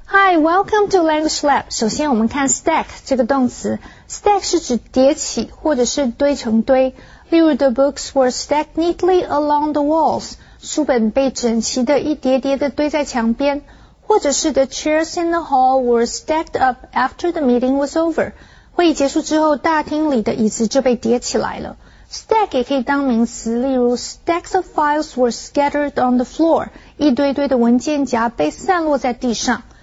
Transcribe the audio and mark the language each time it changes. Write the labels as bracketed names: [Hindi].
[English] Welcome to Language Lab. [Chinese] 首先我们看 stack 这个动词。 Stack 是指叠起或者是堆成堆。 [English] 例如 the books were stacked neatly along the walls. [Chinese] 书本被整齐的一叠叠的堆在墙边。或者是 [English] the chairs in the hall were stacked up after the meeting was over. [Chinese] 会议结束之后大厅里的椅子就被叠起来了。 [English] Stack [Chinese] 也可以当名词，例如 [English] stacks of files were scattered on the floor. [Chinese] 一堆堆的文件夹被散落在地上。